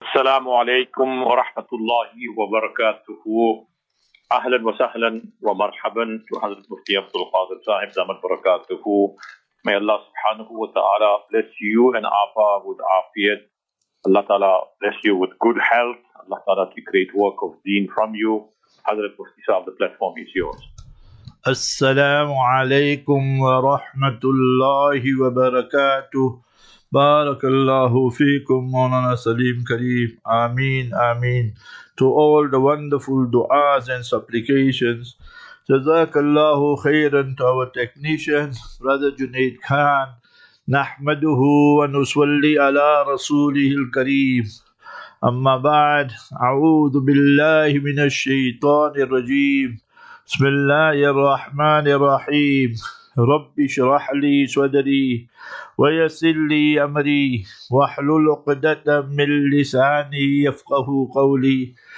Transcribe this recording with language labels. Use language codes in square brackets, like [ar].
[ar] السلام عليكم ورحمة الله وبركاته. أهلا وسهلا ومرحبا بحضرة المفتي عبد الفاضل صاحب دام البركاته. [en] May Allah subhanahu wa ta'ala bless you and Afa with Afiyat. Allah ta'ala bless you with good health. Allah ta'ala to create work of deen from you. [ar] حضرة المفتي صاحب, [en] the platform is yours. [ar] السلام عليكم ورحمة الله وبركاته. بارك الله فيكم مولانا سليم كريم آمين آمين. [en] To all the wonderful du'as and supplications, [ar] جزاك الله خيرا. [en] To our technicians, brother Junaid Khan, [ar] نحمده ونصلي على رسوله الكريم. أما بعد, أعوذ بالله من الشيطان الرجيم. بسم الله الرحمن الرحيم. رب اشرح لي صدري ويسر لي امري واحلل عقدة من لساني يفقه قولي.